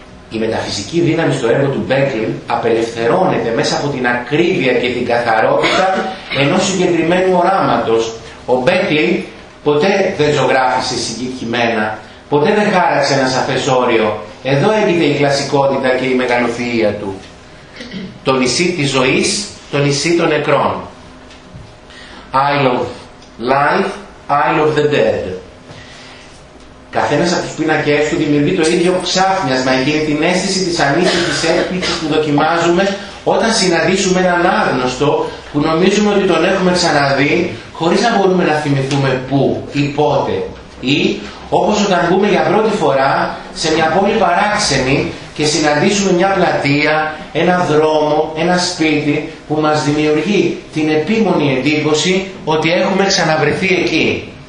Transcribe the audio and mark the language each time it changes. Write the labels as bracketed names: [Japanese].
[Greek] Η μεταφυσική δύναμη στο έργο του Μπέκλιν απελευθερώνεται μέσα από την ακρίβεια και την καθαρότητα ενός συγκεκριμένου οράματος. Ο Μπέκλιν ποτέ δεν ζωγράφησε συγκεκριμένα, ποτέ δεν χάραξε ένα σαφές όριο Εδώ έγινε η κλασικότητα και η μεγαλοθεία του. Το νησί της ζωής, το νησί των νεκρών. [English] Isle of life, Isle of the dead. [Greek] Καθένας από τους πίνακες του δημιουργεί το ίδιο ξάφνιασμα για την αίσθηση της ανήθεσης, της έκπληξης που δοκιμάζουμε όταν συναντήσουμε έναν άγνωστο που νομίζουμε ότι τον έχουμε ξαναδεί χωρίς να μπορούμε να θυμηθούμε πού ή πότε. Ή όπως όταν βγούμε για πρώτη φορά σε μια πόλη παράξενη και συναντήσουμε μια πλατεία, ένα δρόμο, ένα σπίτι που μας δημιουργεί την επίμονη εντύπωση ότι έχουμε ξαναβρεθεί εκεί.